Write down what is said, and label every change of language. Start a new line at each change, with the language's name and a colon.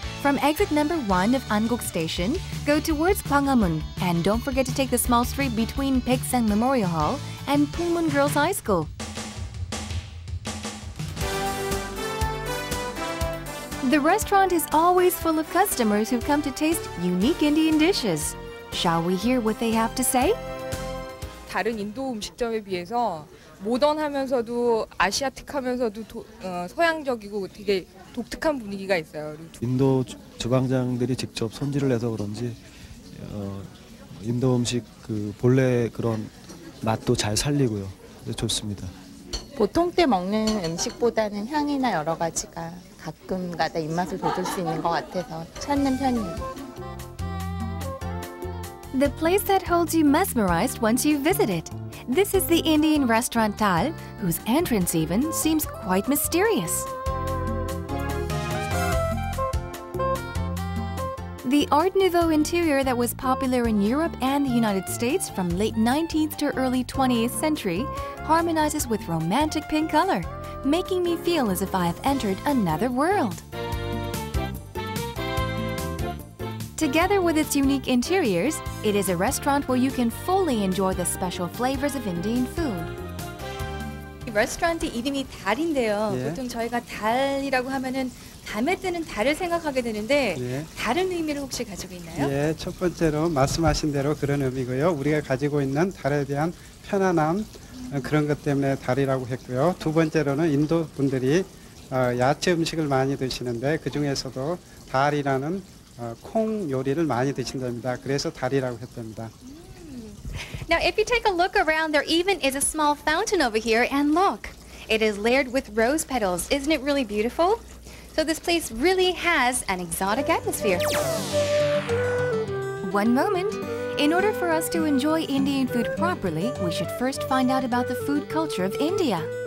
English: From exit number 1 of Anguk Station, go towards Gwanghwamun, and don't forget to take the small street between Paeksang Memorial Hall and Pungmun Girls High School. The restaurant is always full of customers who come to taste unique Indian dishes. Shall we hear what they have to say?
Korean: 다른 인도 음식점에 비해서 모던하면서도 아시아틱하면서도 서양적이고 되게 독특한 분위기가 있어요. 인도 주방장들이 직접 손질을 해서 그런지 인도 음식 그 본래 그런 맛도 잘 살리고요. 좋습니다. 보통 때 먹는 음식보다는 향이나 여러 가지가 가끔가다 입맛을 돋울 수 있는 것 같아서 찾는 편이에요.
English: The place that holds you mesmerized once you visit it. This is the Indian restaurant Tal, whose entrance even seems quite mysterious. The Art Nouveau interior that was popular in Europe and the United States from late 19th to early 20th century harmonizes with romantic pink color, making me feel as if I have entered another world. Together with its unique interiors, it is a restaurant where you can fully enjoy the special flavors of Indian food.
Korean: 이 레스토랑의 이름이 달인데요. 예. 보통 저희가 달이라고 하면은 밤에 뜨는 달을 생각하게 되는데 예. 다른 의미를 혹시 가지고 있나요? 예, 첫 번째로 말씀하신 대로 그런 의미고요. 우리가 가지고 있는 달에 대한 편안함 그런 것 때문에 달이라고 했고요. 두 번째로는 인도 분들이 야채 음식을 많이 드시는데 그 중에서도 달이라는 콩 요리를 많이 드신답니다. 그래서 달이라고 했답니다.
English: Now if you take a look around, there even is a small fountain over here, and look, it is layered with rose petals. Isn't it really beautiful? So this place really has an exotic atmosphere. One moment. In order for us to enjoy Indian food properly, we should first find out about the food culture of India.